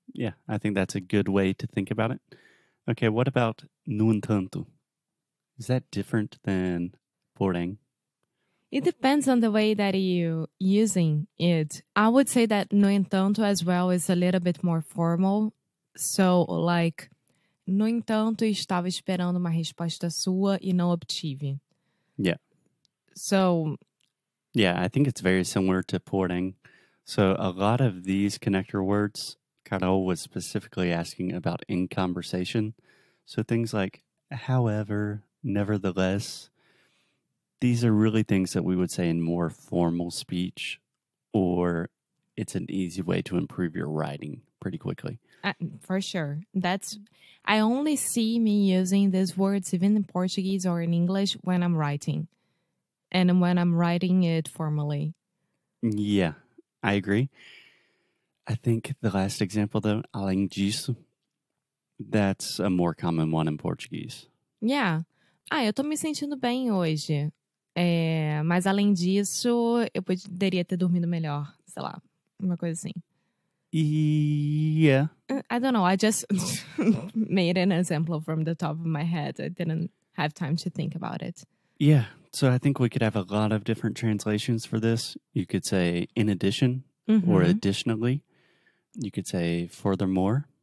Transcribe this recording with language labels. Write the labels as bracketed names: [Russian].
[English] Yeah, I think that's a good way to think about it. Okay, what about no entanto? Is that different than porém? It depends on the way that you're using it. I would say that no entanto as well is a little bit more formal. So, like, [Portuguese] no entanto, estava esperando uma resposta sua e não obtive. [English] Yeah. So. Yeah, I think it's very similar to porém. So, a lot of these connector words, Carol was specifically asking about in conversation. So, things like however, nevertheless. These are really things that we would say in more formal speech, or it's an easy way to improve your writing pretty quickly. For sure. I only see me using these words, even in Portuguese or in English, when I'm writing. And when I'm writing it formally. Yeah, I agree. I think the last example, though, além disso, that's a more common one in Portuguese. Yeah. [Portuguese] Ah, eu tô me sentindo bem hoje. É, mas além disso, eu poderia ter dormido melhor, sei lá, uma coisa assim. [English] Yeah. I don't know, I just made an example from the top of my head. I didn't have time to think about it. Yeah, so I think we could have a lot of different translations for this. You could say in addition mm-hmm. or additionally. You could say furthermore,